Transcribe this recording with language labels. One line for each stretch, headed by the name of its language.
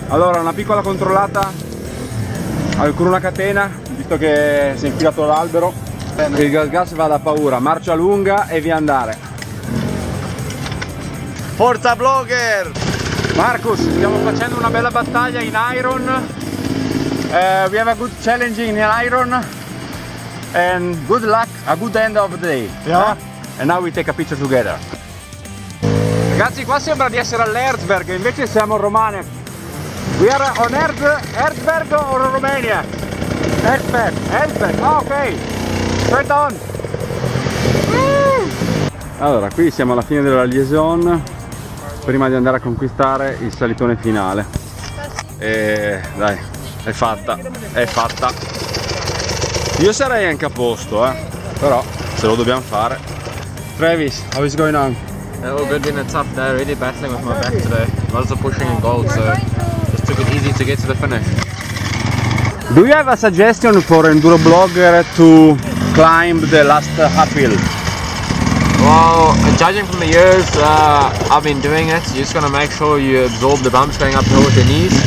Italian: Allora, una piccola controllata al cruna catena, visto che si è infilato l'albero. Bene. Il gas va da paura, marcia lunga e via andare. Forza blogger! Marcus, stiamo facendo una bella battaglia in iron.
English: We have a good challenge in iron. And good luck, a good end of the day. Yeah. and now we take a picture together.
Italian: Ragazzi, qua sembra di essere all'Erzberg, invece siamo in Romania.
English: We are on Erzberg or Romania? Erzberg, oh, ok. Straight on.
Italian: Allora, qui siamo alla fine della liaison, prima di andare a conquistare il salitone finale. E dai, è fatta. Io sarei anche a posto, però se lo dobbiamo fare.
English: Travis, how is going on? Oh, good, been a tough day, really battling with my back today. Lots of pushing and gold, so just took it easy to get to the finish. Do you have a suggestion for enduro blogger to climb the last uphill? Well, judging from the years I've been doing it, you're just gonna make sure you absorb the bumps going uphill with your knees.